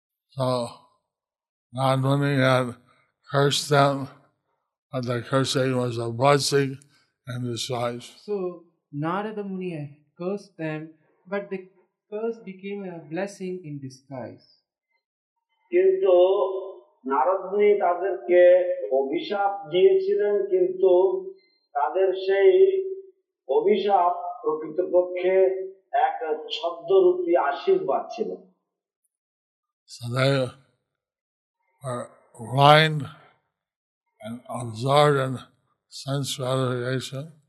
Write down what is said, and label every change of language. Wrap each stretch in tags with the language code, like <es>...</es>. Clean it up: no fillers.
<en>So Nandmuni had cursed them, but the cursing was a blessing in disguise. So Narada Muni cursed them, but the curse became a blessing in disguise.</en> <bn>কিন্তু নারদমুনি তাদেরকে অভিশাপ দিয়েছিলেন, কিন্তু তাদের সেই অভিশাপ প্রকৃতপক্ষে এক ছদ্মরূপী আশীর্বাদ ছিল।</bn> <en>So they were blind and absorbed in sense gratification.</en>